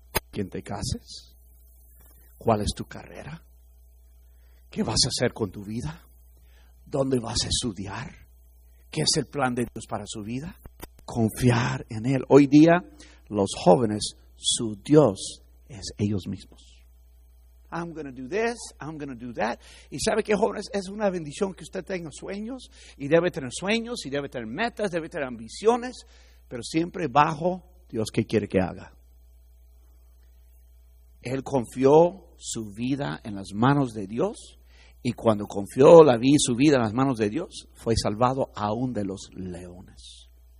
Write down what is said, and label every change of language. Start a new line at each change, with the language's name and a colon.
Spanish: ¿Quién te cases? ¿Cuál es tu carrera? ¿Qué vas a hacer con tu vida? ¿Dónde vas a estudiar? ¿Qué es el plan de Dios para su vida? Confiar en Él. Hoy día, los jóvenes, su Dios es ellos mismos.
English: I'm going to do this, I'm going to do that.
Spanish: Y sabe que, jóvenes, es una bendición que usted tenga sueños, y debe tener sueños, y debe tener metas, debe tener ambiciones, pero siempre bajo Dios, ¿qué quiere que haga? Él confió su vida en las manos de Dios, y cuando confió su vida en las manos de Dios, fue salvado aún de los leones.